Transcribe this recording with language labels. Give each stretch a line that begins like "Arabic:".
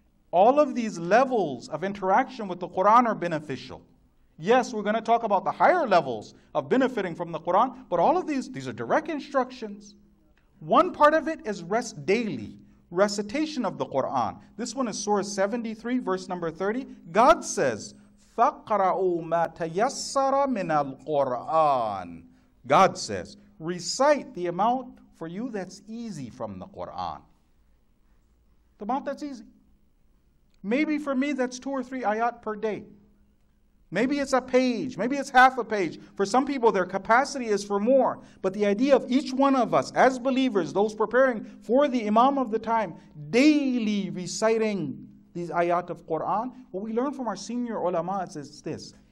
English: All of these levels of interaction with the Quran are beneficial. Yes, we're going to talk about the higher levels of benefiting from the Quran, but all of these are direct instructions. One part of it is rest daily, recitation of the Quran. This one is Surah 73, verse number 30. God says,
Arabic: فَقْرَأُوا مَا تَيَسَّرَ مِنَ الْقُرْآنِ.
English: God says, recite the amount for you that's easy from the Quran. The amount that's easy. Maybe for me that's two or three ayat per day. Maybe it's a page, maybe it's half a page. For some people their capacity is for more. But the idea of each one of us as believers, those preparing for the Imam of the time, daily reciting these ayat of Quran, what we learn from our senior ulama is this.